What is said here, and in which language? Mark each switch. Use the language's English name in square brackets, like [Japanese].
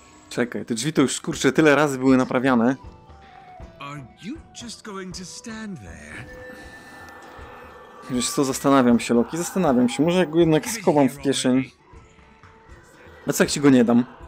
[Polish] Czekaj, te drzwi to już, kurczę, tyle razy były naprawiane. [English] Are you just going to stand there? [Polish] Wiesz co, zastanawiam się, Loki, zastanawiam się. Może jak go jednak schowam w kieszeń. A co jak ci go nie dam?